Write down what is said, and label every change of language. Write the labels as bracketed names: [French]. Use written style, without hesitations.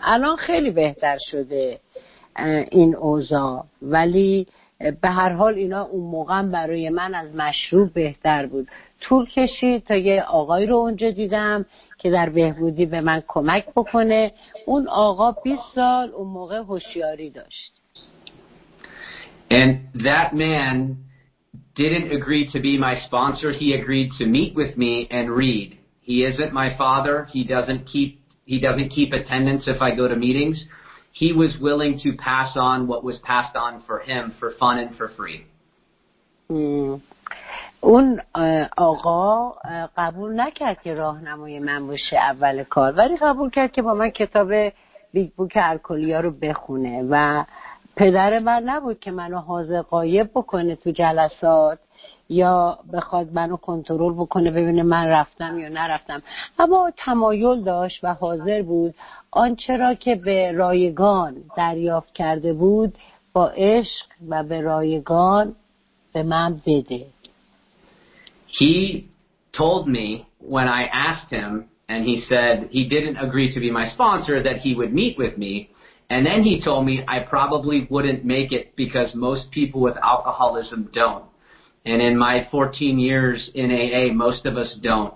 [Persian] الان خیلی بهتر شده این اوضاع ولی به هر حال اینا اون موقع برای من از مشروب بهتر بود طول کشید تا یه آقای رو اونجا دیدم که در بهبودی به من کمک بکنه اون آقا 20 سال اون موقع هوشیاری داشت [English] And that man didn't agree to be my sponsor he agreed to meet with me and read he isn't my father he doesn't keep attendance if I go to meetings He was willing to pass on what was passed on for him for fun and for free. [Persian] اون آقا قبول نکرد که راهنمای من باشه اول کار ولی قبول کرد که با من کتاب بیگ بوک الکلیا رو بخونه و پدر من نبود که منو حاضر غایب بکنه تو جلسات یا بخواد منو کنترل بکنه ببینه من رفتم یا نرفتم اما تمایل داشت و حاضر بود آنچه را که به رایگان دریافت کرده بود با عشق و به رایگان به من بده. [English] He told me when I asked him, and he said he didn't agree to be my sponsor, that he would meet with me. And then he told me I probably wouldn't make it because most people with alcoholism don't. And in my 14 years in AA, most of us don't.